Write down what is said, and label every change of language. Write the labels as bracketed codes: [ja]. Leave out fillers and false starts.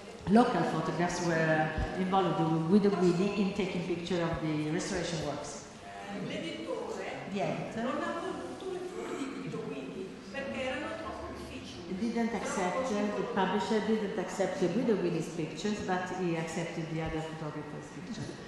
[en] local photographs were involved with Guido Guidi in taking pictures of the restoration works. [it] L'editore non ha voluto le foto di Guido Guidi perché erano troppo difficili. [en] The didn't accept, the publisher didn't accept Guido Willi's pictures, but he accepted the other photographer's picture.